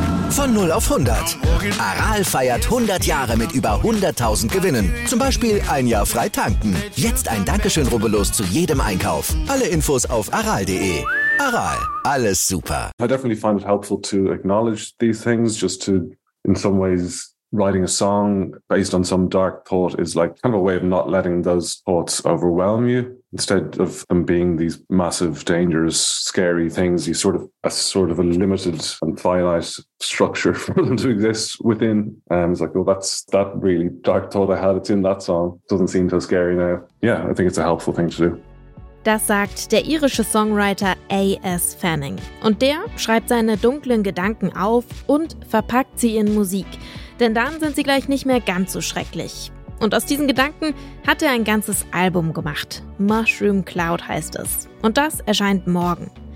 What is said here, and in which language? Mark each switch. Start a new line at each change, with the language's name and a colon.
German: Von 0 auf 100. Aral feiert 100 Jahre mit über 100.000 Gewinnen. Zum Beispiel ein Jahr frei tanken. Jetzt ein Dankeschön, rubbellos zu jedem Einkauf. Alle Infos auf aral.de. Aral, alles super.
English: I definitely find it helpful to acknowledge these things, just to, in some ways, writing a song based on some dark thought is like kind of a way of not letting those thoughts overwhelm you. Instead of them being these massive, dangerous, scary things, you sort of a limited and finite structure for them to exist within. It's like, well, that's that really dark thought I had. It's in that song. Doesn't seem so scary now. Yeah, I think it's a helpful thing to do.
German: Das sagt der irische Songwriter A.S. Fanning. Und der schreibt seine dunklen Gedanken auf und verpackt sie in Musik. Denn dann sind sie gleich nicht mehr ganz so schrecklich. Und aus diesen Gedanken hat er ein ganzes Album gemacht. Mushroom Cloud heißt es. Und das erscheint morgen.